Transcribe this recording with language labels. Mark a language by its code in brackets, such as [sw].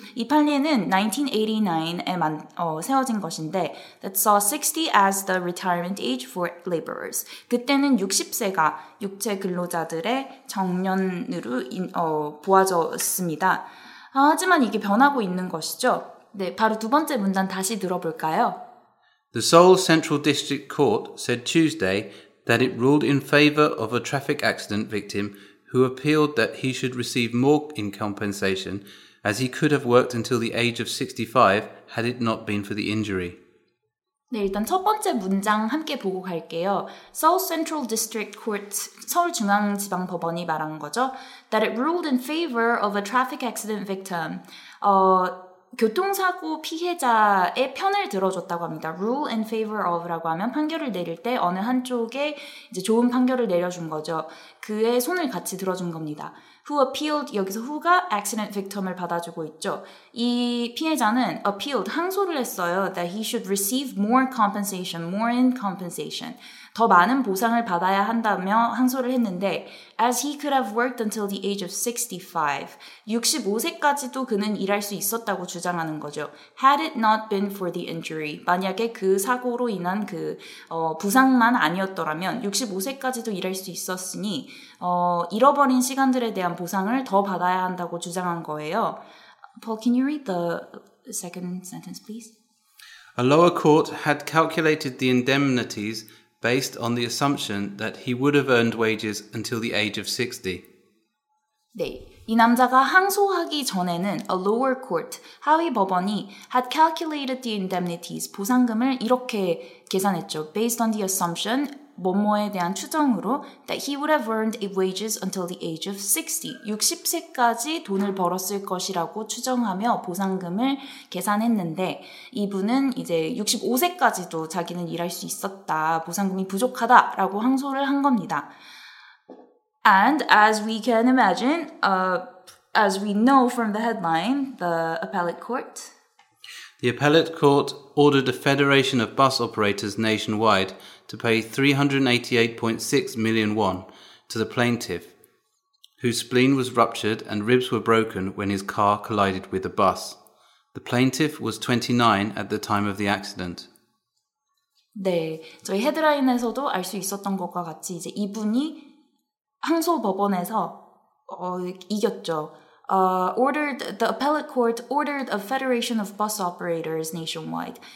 [ko] 이 판례는 1989에 세워진 것인데 [en] that saw 60 as the retirement age for laborers. [ko] 그때는 60세가 육체 근로자들의 정년으로 보아졌습니다. 하지만 이게 변하고 있는 것이죠. 네, 바로 두 번째 문단 다시 들어볼까요? [en] The Seoul Central District Court said Tuesday that it ruled in favor of a traffic accident victim who appealed that he should receive more in compensation as he could have worked until the age of 65 had it not been for the injury. [ko] 네, 일단 첫 번째 문장 함께 보고 갈게요. Seoul Central District Court, 서울중앙지방법원이 말한 거죠. [en] That it ruled in favor of a traffic accident victim. [ko] 교통사고 피해자의 편을 들어줬다고 합니다. [en] Rule in favor of [ko] 라고 하면 판결을 내릴 때 어느 한쪽에 이제 좋은 판결을 내려준 거죠. 그의 손을 같이 들어준 겁니다. [en] Who appealed, [ko] 여기서 who가 accident victim을 받아주고 있죠. 이 피해자는 appealed, 항소를 했어요. [en] That he should receive more compensation, more in compensation. [ko] 더 많은 보상을 받아야 한다며 항소를 했는데 [en] as he could have worked until the age of 65. [ko] 65세까지도 그는 일할 수 있었다고 주장하는 거죠. [en] Had it not been for the injury. [ko] 만약에 그 사고로 인한 그 부상만 아니었더라면 65세까지도 일할 수 있었으니 잃어버린 시간들에 대한 보상을 더 받아야 한다고 주장한 거예요. [en] Paul, can you read the second sentence, please? A lower court had calculated the indemnities based on the assumption that he would have earned wages until the age of 60. [ko] 네, 이 남자가 항소하기 전에는 [en] a lower court, [ko] 하위 법원이 [en] had calculated the indemnities, [ko] 보상금을 이렇게 계산했죠. [en] Based on the assumption, [ko] 뭐뭐에 대한 추정으로 [en] that he would have earned wages until the age of 60. [ko] 60세까지 돈을 벌었을 것이라고 추정하며 보상금을 계산했는데 이분은 이제 65세까지도 자기는 일할 수 있었다. 보상금이 부족하다라고 항소를 한 겁니다. [en] And as we can imagine, as we know from the headline, the appellate court. The appellate court ordered a federation of bus operators nationwide to pay 388.6 million won to the plaintiff, whose spleen was ruptured and ribs were broken when his car collided with a bus. The plaintiff was 29 at the time of the accident. [ko] 네, 저희 헤드라인에서도 알 수 있었던 것과 같이 이제 이분이 항소 법원에서 이겼죠. [en] The appellate court ordered a federation of bus operators nationwide.